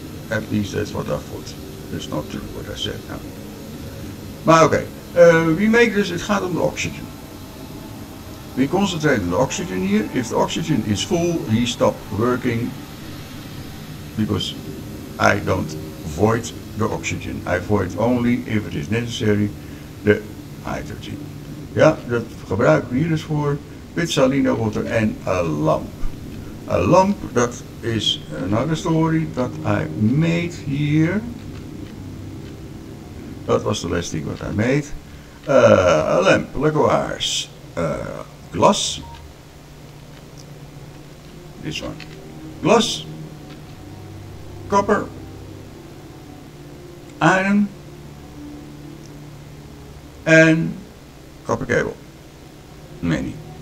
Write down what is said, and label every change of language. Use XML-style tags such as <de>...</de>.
<en>At least that's what I thought. That's not true what I said now.</en> <nl>Maar okay.</nl> <en>We make this. It</en> <nl>gaat om de</nl> <en>oxygen. We concentrate on the oxygen here. If the oxygen is full, he stops working because I don't void the oxygen. I void only if it is necessary the hydrogen.</en> <nl>Ja, dat gebruiken we hier dus voor</nl> <en>with saline water and a lamp. A lamp, that is another story that I made here. That was the last thing that I made. A lamp, likewise. Glass, this one, glass, copper, iron, and copper cable, many.</en>